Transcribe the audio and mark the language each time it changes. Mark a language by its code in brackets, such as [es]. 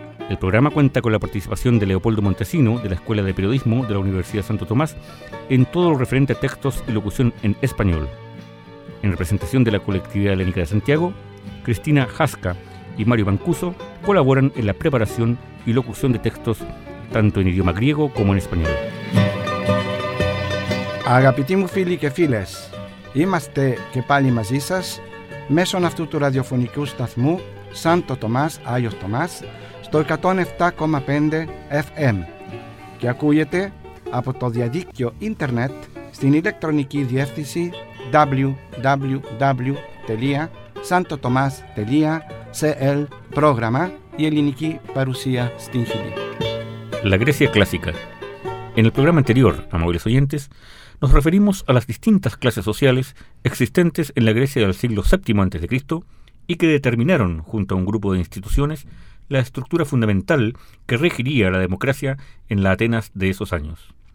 [es] El programa cuenta con la participación de Leopoldo Montesino, de la Escuela de Periodismo de la Universidad Santo Tomás, en todo lo referente a textos y locución en español. En representación de la Colectividad Helénica de Santiago, Cristina Jasca y Mario Mancuso colaboran en la preparación y locución de textos, tanto en idioma griego como en español. [el] Αγαπητοί φίλοι και φίλες, είμαστε και πάλι μαζί σας μέσω αυτού του ραδιοφωνικού σταθμού Σάντο Τομάς, Άγιος Τομάς, στο 107,5 FM και ακούγεται από το διαδίκτυο ίντερνετ στην ηλεκτρονική διεύθυνση www.santotomas.cl πρόγραμμα η ελληνική παρουσία στην Χιλή. [es] La Grecia clásica. En el programa anterior, amables oyentes, nos referimos a las distintas clases sociales existentes en la Grecia del siglo VII a.C. y que determinaron, junto a un grupo de instituciones, la estructura fundamental que regiría la democracia en la Atenas de esos años.